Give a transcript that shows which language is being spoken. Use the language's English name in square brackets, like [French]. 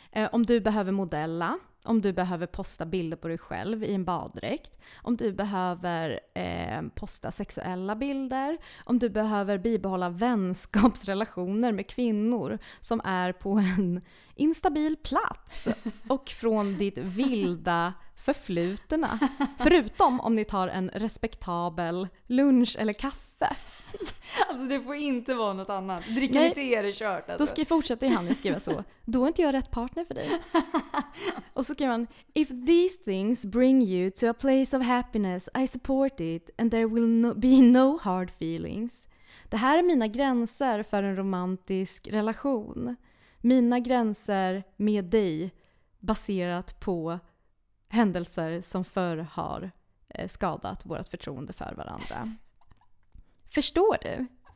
[Swedish] Om du behöver modella, om du behöver posta bilder på dig själv i en baddräkt, om du behöver posta sexuella bilder, om du behöver bibehålla vänskapsrelationer med kvinnor som är på en instabil plats och från ditt vilda förflutna, förutom om ni tar en respektabel lunch eller kaffe. Alltså det får inte vara något annat. Dricker ni te är det kört. Alltså. Då ska jag fortsätta i handen skriva så. Då är inte jag rätt partner för dig. Och så skriver man, [English] if these things bring you to a place of happiness, I support it and there will be no hard feelings. [Swedish] Det här är mina gränser för en romantisk relation. Mina gränser med dig baserat på händelser som förr har skadat vårt förtroende för varandra. Förstår du?